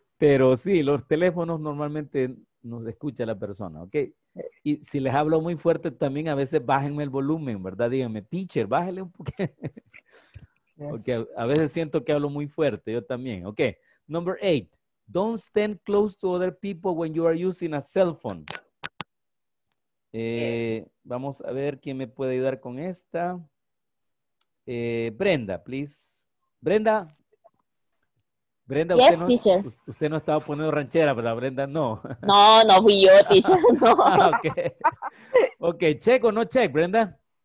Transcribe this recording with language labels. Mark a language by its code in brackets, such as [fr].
[es] Pero sí, los teléfonos normalmente nos escucha la persona, okay. Y si les hablo muy fuerte también, a veces bájenme el volumen, ¿verdad? Díganme, teacher, bájale un poquito. Yes. Okay, a veces siento que hablo muy fuerte, yo también. [en] Okay, number 8. Don't stand close to other people when you are using a cell phone. Yes. [es] Vamos a ver quién me puede ayudar con esta. [en] Brenda, please. Brenda, yes, [es] usted, no, [en] teacher. [es] Usted no estaba poniendo ranchera, ¿verdad, Brenda? No. No fui yo, teacher. No. Ah, okay. Okay, check o no check, Brenda?